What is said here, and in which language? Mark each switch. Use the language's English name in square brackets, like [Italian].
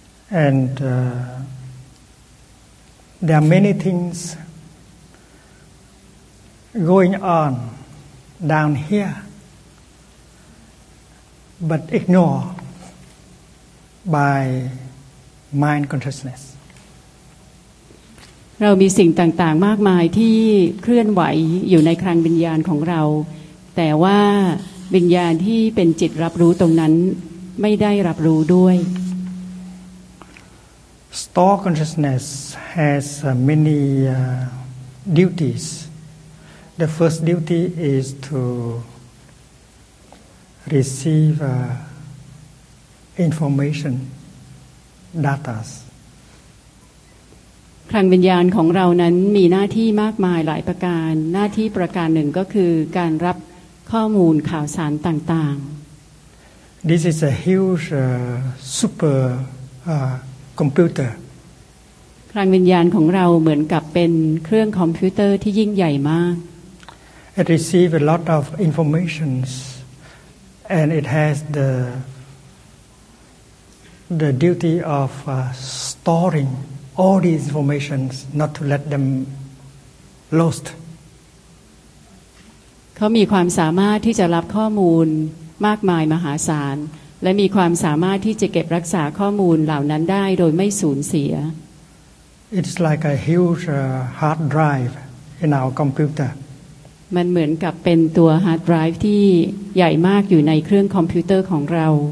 [English] and there are many things going on down here but ignoreby mind consciousness [Thai] เรามีสิ่งต่างๆมากมายที่เคลื่อนไหวอยู่ในคลังวิญญาณของเราแต่ว่าวิญญาณที่เป็นจิตรับรู้ตรงนั้นไม่ได้รับรู้ด้วย [English] Store consciousness has many duties The first duty is to receiveinformation data [Thai] คลังวิญญาณของเรานั้นมีหน้าที่มากมายหลายประการหน้าที่ประการหนึ่งก็คือการรับข้อมูลข่าวสารต่าง [English] ๆ This is a huge super computer [Thai] คลังวิญญาณของเราเหมือนกับเป็นเครื่องคอมพิวเตอร์ที่ยิ่งใหญ่มาก [English] It receives a lot of information and it has the duty of storing all these informations not to let them lost [Thai] เขามีความสามารถที่จะรับข้อมูลมากมายมหาศาลและมีความสามารถที่จะเก็บรักษาข้อมูลเหล่านั้นได้โดยไม่สูญเสีย [English] It's like a huge hard drive in our computer [Thai] มันเหมือนกับเป็นตัวฮาร์ดไดรฟ์ที่ใหญ่มากอยู่ในเครื่องคอมพิวเตอร์ของเรา